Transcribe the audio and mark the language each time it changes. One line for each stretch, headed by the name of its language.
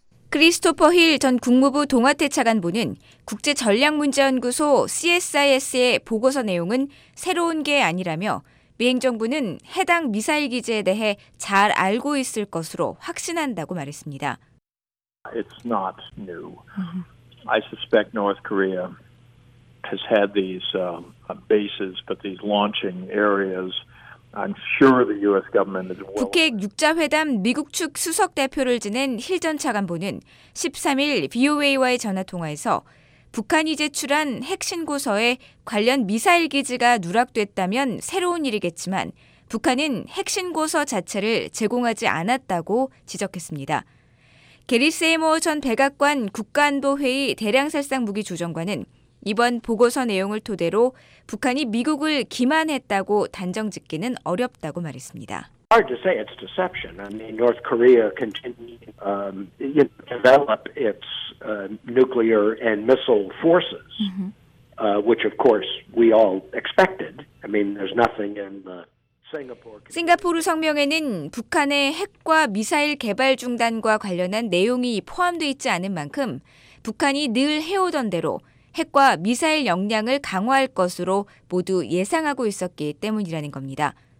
Korean: 크리스토퍼 힐 전 국무부 동아태 차관보는 국제전략문제연구소 CSIS의 보고서 내용은 새로운 게 아니라며 미 행정부는 해당 미사일 기지에 대해 잘 알고 있을 것으로 확신한다고 말했습니다.
English: It's not new. I suspect North Korea has had these bases, but these launching areas. I'm sure the U.S. government is well.
Korean: 북핵 육자회담 미국 측 수석 대표를 지낸 힐 전 차관보는 13일 VOA와의 전화 통화에서 북한이 제출한 핵신고서에 관련 미사일 기지가 누락됐다면 새로운 일이겠지만 북한은 핵신고서 자체를 제공하지 않았다고 지적했습니다. 게리 세이머 전 백악관 국가안보회의 대량살상무기조정관은 이번 보고서 내용을 토대로 북한이 미국을 기만했다고 단정짓기는 어렵다고 말했습니다.
English: Hard to say it's deception. I mean, North Korea continues to develop its nuclear and missile forces, which of course we all expected. I mean, there's nothing in the Singapore.
Korean: 싱가포르 성명에는 북한의 핵과 미사일 개발 중단과 관련한 내용이 포함되어 있지 않은 만큼 북한이 늘 해오던 대로 핵과 미사일 역량을 강화할 것으로 모두 예상하고 있었기 때문이라는 겁니다.